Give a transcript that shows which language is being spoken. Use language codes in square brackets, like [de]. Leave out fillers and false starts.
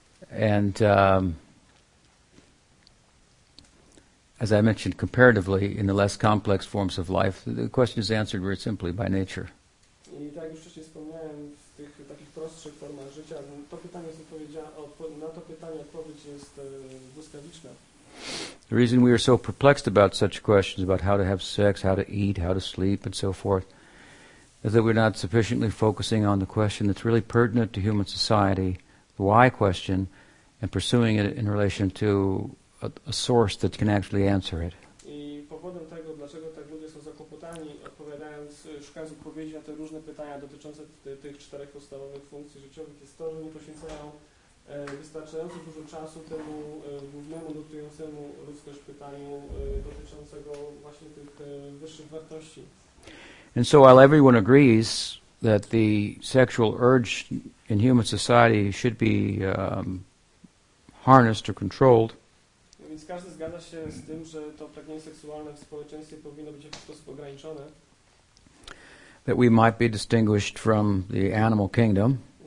[en] and as I mentioned, comparatively, in the less complex forms of life, the question is answered very simply by nature. [pl] I tak już wcześniej wspomniałem, w tych takich prostszych formach życia, to pytanie jest na to pytanie odpowiedź jest błyskawiczna. [en] The reason we are so perplexed about such questions, about how to have sex, how to eat, how to sleep, and so forth, is that we're not sufficiently focusing on the question that's really pertinent to human society, the why question, and pursuing it in relation to a source that can actually answer it. [pl] I powodem tego, dlaczego tak ludzie są zakłopotani, szukając odpowiedzi na te różne pytania dotyczące tych czterech podstawowych funkcji życiowych, jest to, że nie poświęcają wystarczająco dużo czasu temu głównemu, nurtującemu ludzkość pytaniu dotyczącego właśnie tych wyższych wartości. [en] And so while everyone agrees that the sexual urge in human society should be harnessed or controlled, [pl] więc każdy zgadza się z tym, że to pragnienie seksualne w społeczeństwie powinno być w jakiś sposób ograniczone, [en] that we might be distinguished from the animal kingdom,